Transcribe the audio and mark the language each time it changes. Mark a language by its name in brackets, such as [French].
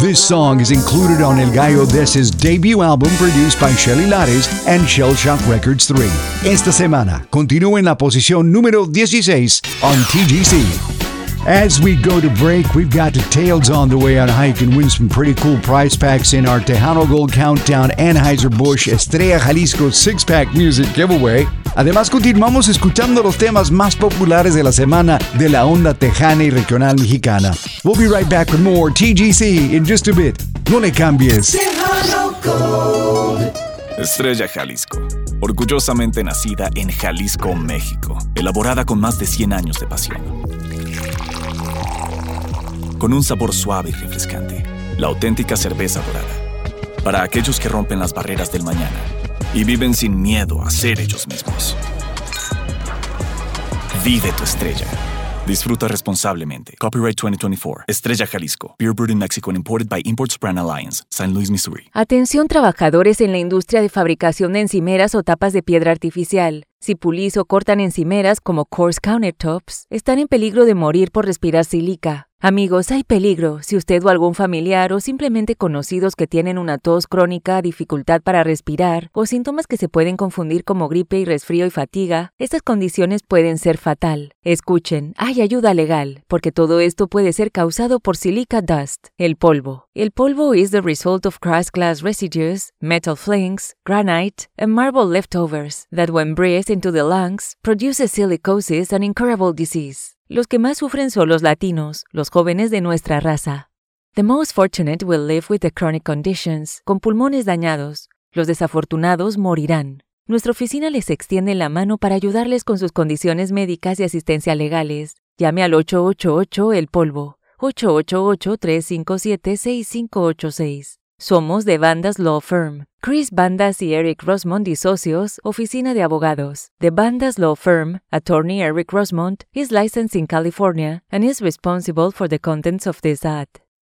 [English] This song is included on El Gallo de Es's debut album, produced by Shelly Lares and Shell Shock Records 3. [Spanish] Esta semana, continúa en la posición número 16 [English] on TGC. As we go to break, we've got details on the way on how you can win some pretty cool prize packs in our Tejano Gold Countdown Anheuser-Busch Estrella Jalisco 6-Pack Music Giveaway. [Spanish] Además, continuamos escuchando los temas más populares de la semana de la onda tejana y regional mexicana. [English] We'll be right back with more TGC in just a bit. [Spanish] No le cambies. [English] Tejano Gold. [Spanish] Estrella Jalisco. Orgullosamente nacida en Jalisco, México. Elaborada con más de 100 años de pasión. Con un sabor suave y refrescante. La auténtica cerveza dorada. Para aquellos que rompen las barreras del mañana y viven sin miedo a ser ellos mismos. Vive tu estrella. Disfruta responsablemente. Copyright 2024. Estrella Jalisco. [English] Beer brewed in Mexico and imported by Imports Brand Alliance. San Luis, Missouri. [Spanish] Atención, trabajadores en la industria de fabricación de encimeras o tapas de piedra artificial. Si pulís o cortan encimeras como [English] coarse countertops, [Spanish] están en peligro de morir por respirar sílica. Amigos, hay peligro. Si usted o algún familiar o simplemente conocidos que tienen una tos crónica, dificultad para respirar o síntomas que se pueden confundir como gripe y resfrío y fatiga, estas condiciones pueden ser fatal. Escuchen, hay ayuda legal, porque todo esto puede ser causado por [English] silica dust, [Spanish] el polvo. El polvo [English] is the result of crushed glass residues, metal flakes, granite, and marble leftovers that when breathed into the lungs, produces silicosis and incurable disease. [Spanish] Los que más sufren son los latinos, los jóvenes de nuestra raza. [English] The most fortunate will live with the chronic conditions, [Spanish] con pulmones dañados. Los desafortunados morirán. Nuestra oficina les extiende la mano para ayudarles con sus condiciones médicas y asistencia legales. Llame al 888-EL-POLVO, 888-357-6586. Somos The Bandas Law Firm. Chris Bandas y Eric Rosmond y socios, oficina de abogados. [English] The Bandas Law Firm, attorney Eric Rosmond, is licensed in California and is responsible for the contents of this ad.